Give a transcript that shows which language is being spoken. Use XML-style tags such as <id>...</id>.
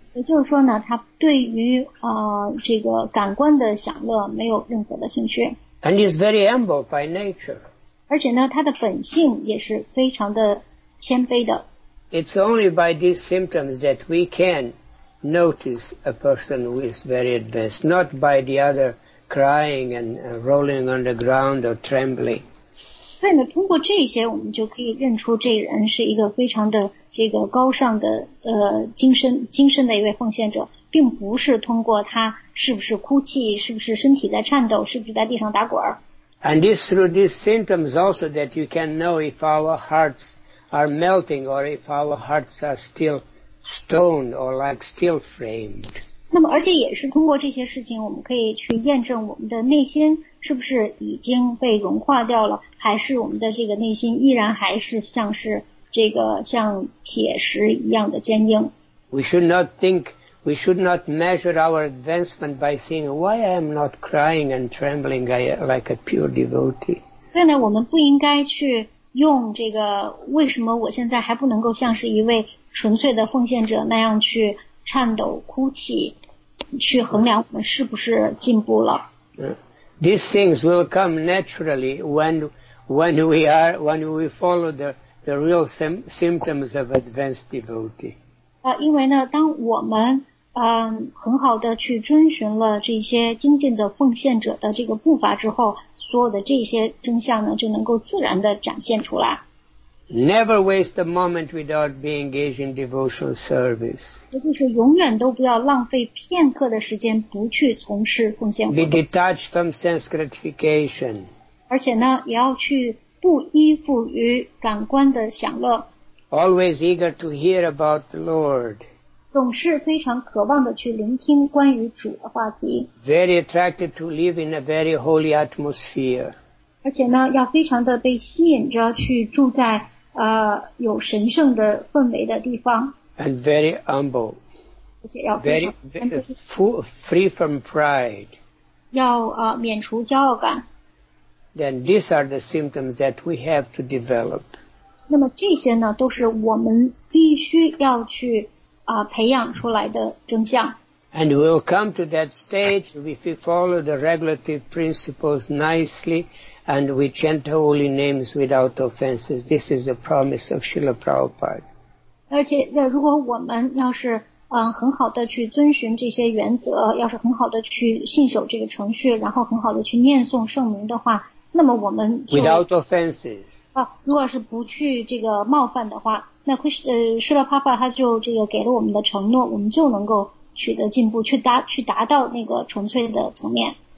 <zh>也就是说呢，他对于这个感官的享乐没有任何的兴趣。</zh> <en>And is very humble by nature.</en> <zh>而且呢，他的本性也是非常的谦卑的。</zh> <en>It's only by these symptoms that we can notice a person who is very advanced, not by the other crying and rolling on the ground or trembling.</en> <zh>对呢，通过这些我们就可以认出这人是一个非常的这个高尚的精神的一位奉献者，并不是通过他是不是哭泣，是不是身体在颤抖，是不是在地上打滚。</zh> <en>And it's through these symptoms also that you can know if our hearts are melting or if our hearts are still stone or like steel framed.</en> <zh>那么而且也是通过这些事情我们可以去验证我们的内心是不是已经被融化掉了，还是我们的这个内心依然还是像是这个像铁石一样的坚硬。</zh> <en>We should not measure our advancement by seeing why I am not crying and trembling like a pure devotee.</en> <zh>所以呢，我们不应该去用这个为什么我现在还不能够像是一位纯粹的奉献者那样去颤抖哭泣，去衡量我们是不是进步了。</zh> <en>These things will come naturally when we follow the real symptoms of advanced devotee.</en> <zh>因为呢，当我们很好的去遵循了这些精进的奉献者的这个步伐之后，所有的这些征象呢就能够自然的展现出来。</zh> <en>Never waste a moment without being engaged in devotional service.</en> <zh>也就是永远都不要浪费片刻的时间不去从事奉献活动。</zh> <en>Be detached from sense gratification.</en> <zh>而且呢，也要去不依附于感官的享乐。</zh> <en>Always eager to hear about the Lord.</en> <zh>总是非常渴望的去聆听关于主的话题。</zh> <en>Very attracted to live in a very holy atmosphere.</en> <zh>而且呢，要非常的被吸引着去住在有神圣的氛围的地方。</zh> <en>And very humble.</en> <zh>而且要非常</zh> <en>free from pride.</en> <zh>要免除骄傲感。</zh> <en>Then these are the symptoms that we have to develop.</en> <zh>那么这些呢，都是我们必须要去培养出来的征象。</zh> <en>And we'll come to that stage if we follow the regulative principles nicely and we chant holy names without offenses. This is the promise of Srila Prabhupada.</en> <zh>而且那如果我们要是很好的去遵循这些原则，要是很好的去信守这个程序，然后很好的去念诵圣名的话，那么我们就</zh> <en>without offenses.</en> <zh>如果是不去这个冒犯的话，那释勒帕帕他就这个给了我们的承诺，我们就能够取得进步，去达到那个纯粹的层面。</zh>